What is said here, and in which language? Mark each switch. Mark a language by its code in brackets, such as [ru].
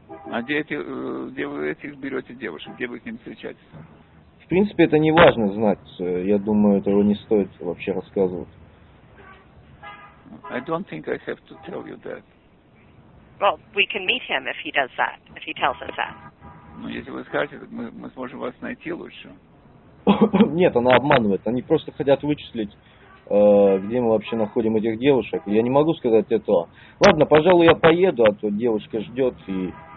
[ru] А где вы этих берете девушек? Где вы с ним встречаетесь? В принципе, это не важно знать. Я думаю, этого не стоит вообще рассказывать. [en] I don't think I have to tell you that. Well, we can meet him if he does that, if he tells us that. [ru] Ну, если вы скажете, мы сможем вас найти лучше. Нет, она обманывает. Они просто хотят вычислить, где мы вообще находим этих девушек. Я не могу сказать это. Ладно, пожалуй, я поеду, а то девушка ждет и...